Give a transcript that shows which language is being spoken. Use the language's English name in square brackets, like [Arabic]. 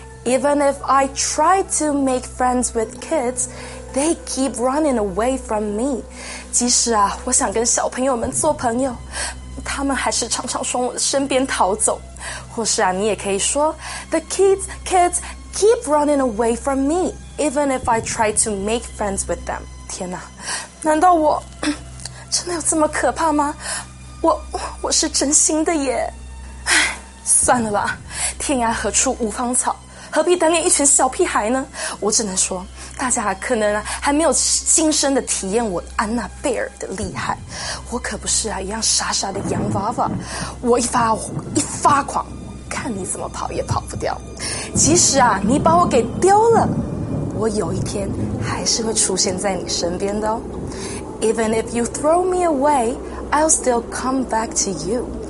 [English] Even if I try to make friends with kids, they keep running away from me. [Chinese] 即使啊，我想跟小朋友们做朋友，他们还是常常从我身边逃走。或是啊，你也可以说 ， [English] The kids keep running away from me, even if I try to make friends with them. [Chinese] 天哪，难道我真的有这么可怕吗？我是真心的耶。算了吧，天涯何处无芳草，何必单恋一群小屁孩呢？我只能说，大家可能还没有亲身的体验我安娜贝尔的厉害。我可不是啊，一样傻傻的洋娃娃。我一发狂，看你怎么跑也跑不掉。即使啊，你把我给丢了，我有一天还是会出现在你身边的哦。 [English] Even if you throw me away, I'll still come back to you.